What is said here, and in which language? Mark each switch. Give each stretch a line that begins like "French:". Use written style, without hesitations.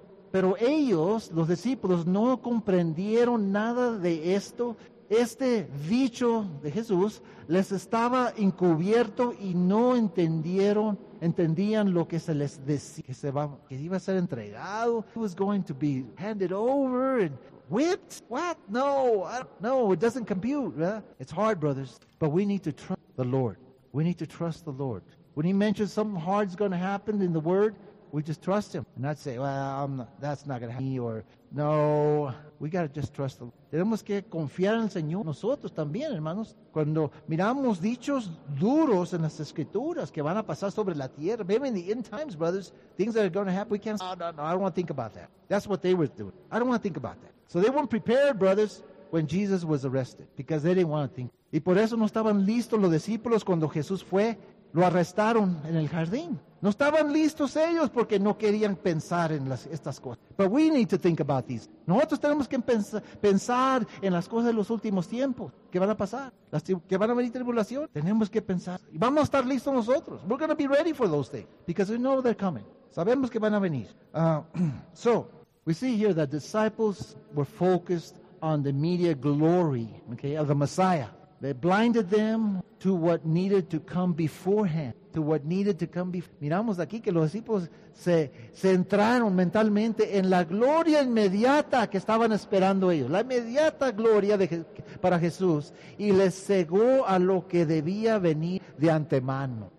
Spanish: Pero ellos, los discípulos, no comprendieron nada de esto. Este dicho de Jesús les estaba encubierto y no entendían lo que se les decía, que iba a ser entregado.
English: He was going to be handed over and whipped. What? No, it doesn't compute. Right? It's hard, brothers, but we need to trust the Lord. We need to trust the Lord. When he mentions something hard's going to happen in the word, We just trust him. And I'd say, well, that's not going to happen. Or, no, we got to just trust him.
Spanish: Tenemos que confiar en el Señor. Nosotros también, hermanos. Cuando miramos dichos duros en las escrituras que van a pasar sobre la tierra,
English: maybe in the end times, brothers, things that are going to happen, we can't say, no, I don't want to think about that. That's what they were doing. I don't want to think about that. So they weren't prepared, brothers, when Jesus was arrested, because they didn't want to think.
Spanish: Y por eso no estaban listos los discípulos cuando Jesús fue, lo arrestaron en el jardín. No estaban listos ellos porque no querían pensar en estas cosas.
English: But we need to think about these.
Spanish: Nosotros tenemos que pensar en las cosas de los últimos tiempos. ¿Qué van a pasar? ¿Qué van a venir tribulación? Tenemos que pensar. Y vamos a estar listos nosotros.
English: We're going to be ready for those things. Because we know they're coming.
Spanish: Sabemos que van a venir.
English: So, we see here that disciples were focused on the media glory, okay, of the Messiah. They blinded them to what needed to come beforehand.
Spanish: Miramos aquí que los discípulos se centraron mentalmente en la gloria inmediata que estaban esperando ellos. La inmediata gloria para Jesús. Y les cegó a lo que debía venir de antemano.